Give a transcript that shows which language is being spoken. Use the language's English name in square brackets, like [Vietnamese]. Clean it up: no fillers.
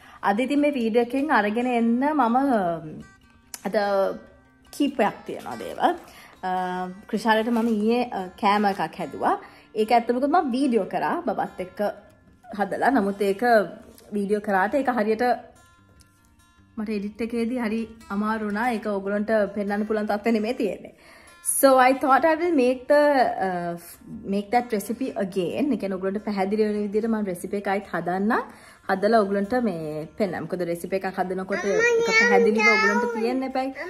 [Sinhala] අදදී මේ වීඩියෝ එකෙන් අරගෙන එන්න මම අද කීපයක් තියනවා දේවල්. ක්‍රිෂාලට මම ඊයේ කැම එකක් හැදුවා. ඒක ඇත්තමකම මම වීඩියෝ කරා බබත් එක්ක හදලා. නමුත් ඒක වීඩියෝ කරාට ඒක හරියට මට එඩිට් එකේදී හරි අමාරු වුණා. ඒක ඕගොල්ලන්ට පෙන්නන්න පුළුවන් තත්ත්වෙ නෙමෙයි තියෙන්නේ. [English] So I thought I will make that recipe again. [Sinhala] නිකන් ඕගොල්ලන්ට පැහැදිලි වෙන විදිහට මම රෙසිපි එකයි හදන්නම්. හදලා ඔයගලන්ට මේ පෙන්නම්. මොකද රෙසිපි එකක් හදනකොට එක පැහැදිලිව ඔයගලන්ට තියෙන්න එපයි.